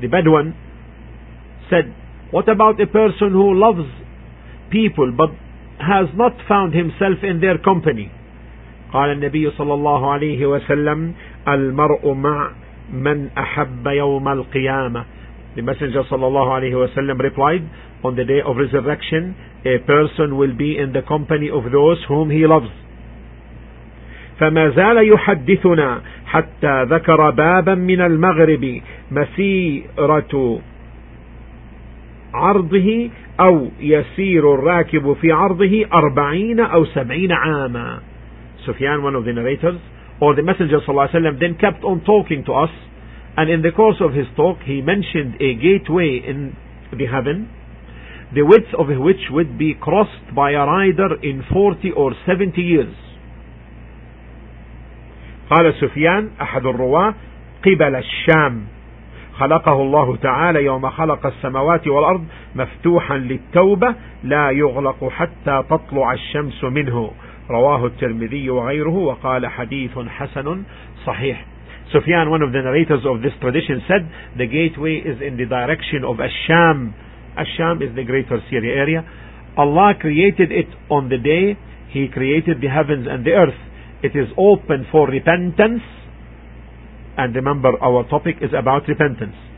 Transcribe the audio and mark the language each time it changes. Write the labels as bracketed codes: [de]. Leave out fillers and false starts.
[en] The Bedouin said, what about a person who loves people but has not found himself in their company? [ar] قال النبي صلى الله عليه وسلم المرء مع من أحب يوم القيامة. [en] The Messenger sallallahu alayhi wa sallam replied, on the day of resurrection, a person will be in the company of those whom he loves. [ar] فما زال يحدثنا حتى ذكر بابا من المغرب مسيرة عرضه أو يسير الراكب في عرضه [en] 40 or 70 [ar] عاما. [en] Sufyan, one of the narrators, or the Messenger sallallahu alayhi wa sallam, then kept on talking to us, and in the course of his talk he mentioned a gateway in the heaven, the width of which would be crossed by a rider in 40 or 70 years. [ar] قال سفيان أحد الرواة قبل الشام خلقه الله تعالى يوم خلق السماوات والأرض مفتوحا للتوبة لا يغلق حتى تطلع الشمس منه رواه الترمذي وغيره وقال حديث حسن صحيح. [en] Sufyan, one of the narrators of this tradition, said the gateway is in the direction of Ash-Sham. Ash-Sham is the greater Syria area. Allah created it on the day He created the heavens and the earth. It is open for repentance. And remember, our topic is about repentance.